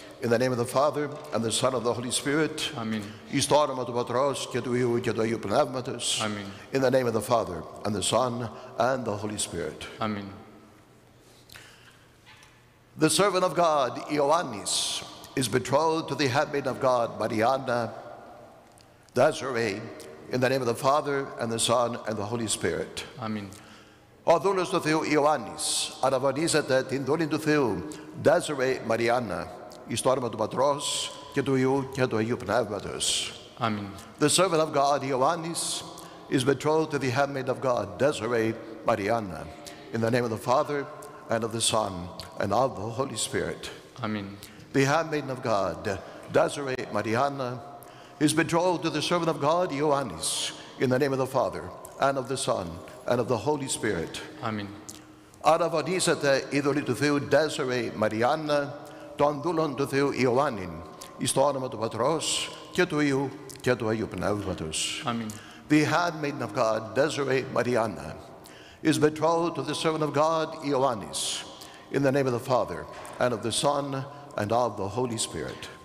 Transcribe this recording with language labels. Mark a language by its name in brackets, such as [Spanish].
[English] In the name of the Father, and the Son, and the Holy Spirit. Amen. [Greek] Εις το όνομα του Πατρός και του Υιού και του Αγίου Πνεύματος. [English] Amen. In the name of the Father, and the Son, and the Holy Spirit. Amen. The servant of God, Ioannis, is betrothed to the handmaid of God, Mariana, Desiree, in the name of the Father, and the Son, and the Holy Spirit. Amen. [Greek] Ο δούλος του Θεού Ιωάννης αναβαδίζεται την δούλη του Θεού, Desiree Mariana, εις το όνομα του Πατρός και του Υιού και του Αγίου Πνεύματος. [English] Amen. The servant of God, Ioannis, is betrothed to the handmaid of God, Desiree Mariana, in the name of the Father, and of the Son, and of the Holy Spirit. Amen. The handmaid of God, Desiree Mariana, is betrothed to the servant of God, Ioannis, in the name of the Father, and of the Son, and of the Holy Spirit. Amen. [Greek] Αραβωνίζεται η δούλη του Θεού, Desiree Mariana, των δούλων του Θεού Ιωάννην, εις το όνομα του Πατρός και του Υιού και του Αγίου Πνεύματος. [English] Amen. The handmaid of God, Desiree Mariana, is betrothed to the servant of God, Ioannis, in the name of the Father, and of the Son, and of the Holy Spirit.